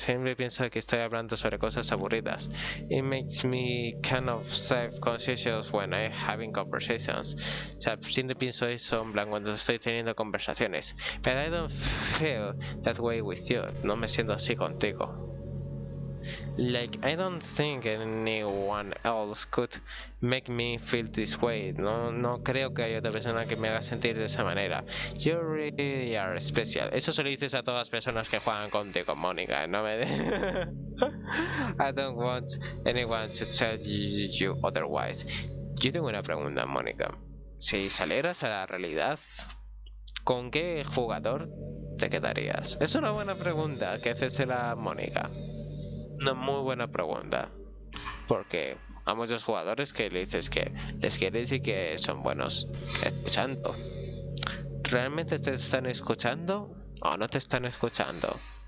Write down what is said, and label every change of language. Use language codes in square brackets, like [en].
[es] Siempre pienso que estoy hablando sobre cosas aburridas. [en] It makes me kind of self-conscious when I'm having conversations. [es] O sea, siempre pienso eso en plan cuando estoy teniendo conversaciones. [en] But I don't feel that way with you. [es] No me siento así contigo. [en] Like, I don't think anyone else could make me feel this way. [es] No, no creo que haya otra persona que me haga sentir de esa manera. [en] You really are special. [es] Eso se lo dices a todas las personas que juegan contigo, Mónica. No me de... [en] I don't want anyone to tell you otherwise. [es] Yo tengo una pregunta, Mónica. Si salieras a la realidad, ¿con qué jugador te quedarías? Es una buena pregunta que haces a la Mónica. Una muy buena pregunta, porque a muchos jugadores que le dices que les quieres y que son buenos escuchando, ¿realmente te están escuchando o no te están escuchando?